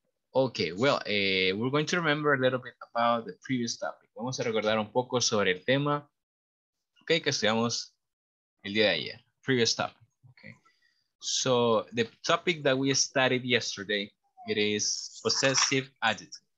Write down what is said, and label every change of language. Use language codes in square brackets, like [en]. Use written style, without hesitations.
[en] Ok, well, we're going to remember a little bit about the previous topic. [es] Vamos a recordar un poco sobre el tema, okay, que estudiamos el día de ayer. [en] Previous topic. Okay. So, the topic that we studied yesterday, it is possessive adjective.